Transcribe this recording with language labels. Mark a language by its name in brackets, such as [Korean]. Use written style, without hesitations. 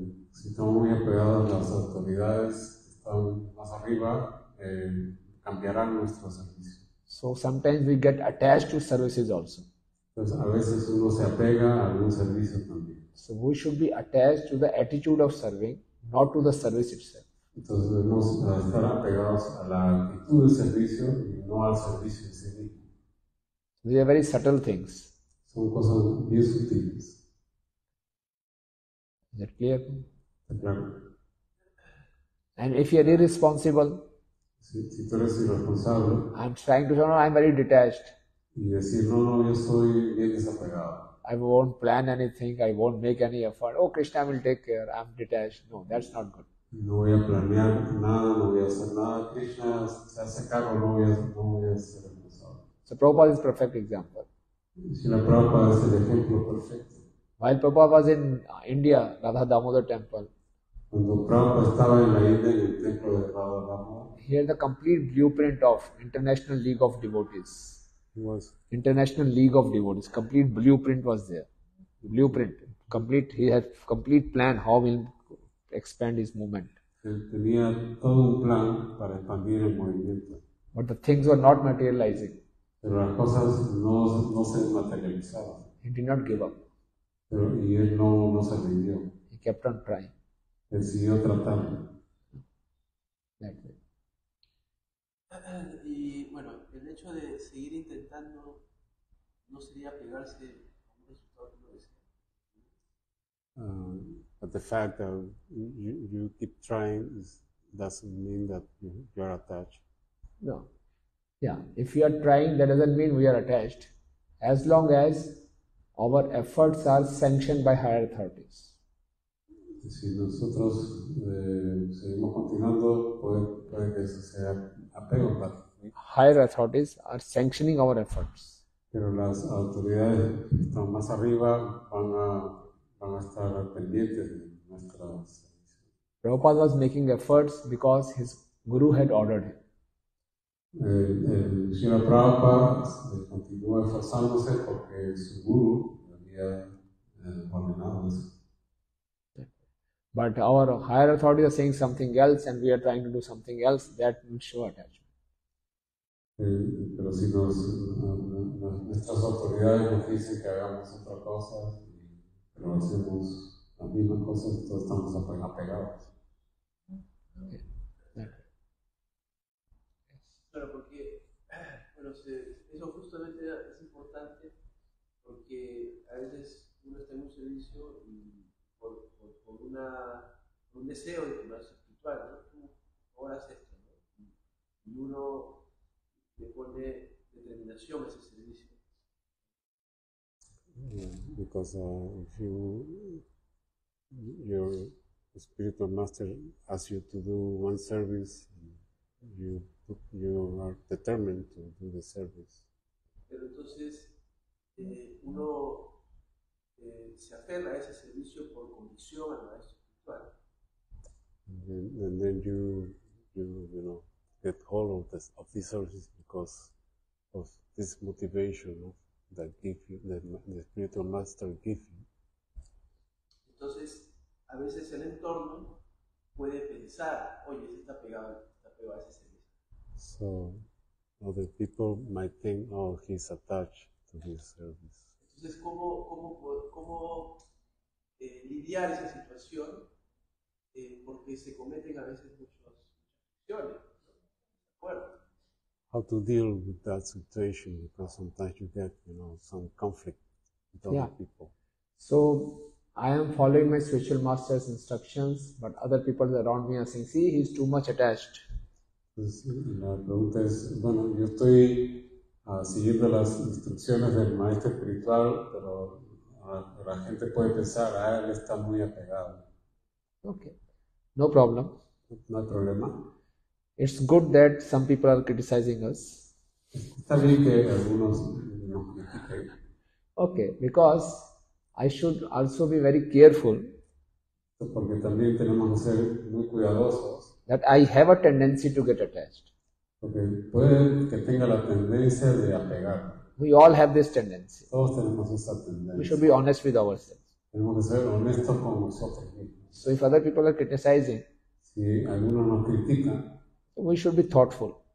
[Spanish] Si estamos muy apegados a las autoridades que están más arriba, cambiarán nuestro servicio. [English] So sometimes we get attached to services also. [Spanish] Entonces a veces uno se apega a algún servicio también. [English] So we should be attached to the attitude of serving, not to the service itself. [Spanish] Entonces debemos estar apegados a la actitud de servicio y no al servicio en sí mismo. [English] These are very subtle things. [Spanish] Son cosas muy sutiles. [English] Is that clear? [Spanish] Claro. [English] And if you are irresponsible, [Spanish] si tú eres irresponsable, [English] I'm trying to show, no, I'm very detached. [Spanish] Y decir, no, yo soy bien desapegado. [English] I won't plan anything, I won't make any effort. Oh, Krishna will take care, I'm detached. No, that's not good. [Spanish] No voy a planear nada, no voy a hacer nada. Krishna se hace cargo, no voy a ser responsable. [English] So Prabhupada is a perfect example. [Spanish] Srila Prabhupada es el ejemplo perfecto. [English] While Prabhupada was in India, Radha Damodar temple, [Spanish] cuando Prabhupada estaba en la India, en el templo de Radha Damodar, [English] he had the complete blueprint of International League of Devotees. Was International League of Devotees, complete blueprint was there. Blueprint, complete, he had complete plan how he will expand his movement. [Spanish] Tenía todo un plan para expandir el movimiento. [English] But the things were not materializing. [Spanish] Pero las cosas no se materializaban. [English] He did not give up. [Spanish] Pero, y él no se rindió. [English] He kept on trying. [Spanish] Él siguió tratando. [English] Like that. [Spanish] Y bueno, el hecho de seguir intentando no sería pegarse a un resultado que no desea. [English] But the fact that you keep trying doesn't mean that you are attached. [Spanish] No. [English] Yeah, if you are trying, that doesn't mean we are attached. As long as our efforts are sanctioned by higher authorities. [Spanish] Si nosotros seguimos continuando, puede que eso sea apego. [English] Higher authorities are sanctioning our efforts. [Spanish] Pero las autoridades que están más arriba van a estar pendientes de nuestra sanción. [English] Prabhupada was making efforts because his guru had ordered him. [Spanish] Srila Prabhupada continuó esforzándose porque su guru había ordenado eso. [English] But our higher authorities are saying something else and we are trying to do something else, that will show attachment. [Spanish] Pero si nuestras autoridades nos dicen que hagamos otra cosa, pero hacemos la misma cosa, entonces estamos apegados. [English] Okay. [Spanish] Pero porque eso justamente es importante porque a veces uno está en un servicio y por un deseo de que no es espiritual, ¿no? Tú oras esto, ¿no? Y uno le pone determinación a ese servicio. [English] Because if your spiritual master asks you to do one service, you are determined to do the service. [Spanish] Pero entonces uno se aferra a ese servicio por convicción al maestro espiritual. [English] And then you get hold of this service because of this motivation that give you the spiritual master give you. [Spanish] Entonces, a veces el entorno puede pensar, oye, está pegado a ese servicio. [English] So other people might think, oh, he's attached to his service. [Spanish] Entonces, ¿cómo lidiar esa situación? Porque se cometen a veces muchas acciones, ¿de acuerdo? [English] How to deal with that situation, because sometimes you get, some conflict with other people. So, I am following my spiritual master's instructions, but other people around me are saying, see, he's too much attached. [Spanish] La pregunta es, bueno, yo estoy siguiendo las instrucciones del maestro espiritual, pero la gente puede pensar, a él está muy apegado. [English] Okay. No problem. [Spanish] No problema. [English] It's good that some people are criticizing us. [Spanish] Está bien que algunos no critiquen. [English] Okay, because I should also be very careful. [Spanish] Porque también tenemos que ser muy cuidadosos. [English] That I have a tendency to get attached. [Spanish] Porque puede que tenga la tendencia de apegar. [English] We all have this tendency. [Spanish] Todos tenemos esa tendencia. [English] We should be honest with ourselves. [Spanish] Tenemos que ser honestos con nosotros mismos. [English] So if other people are criticizing, [Spanish] si alguno nos critica, [English] we should be thoughtful.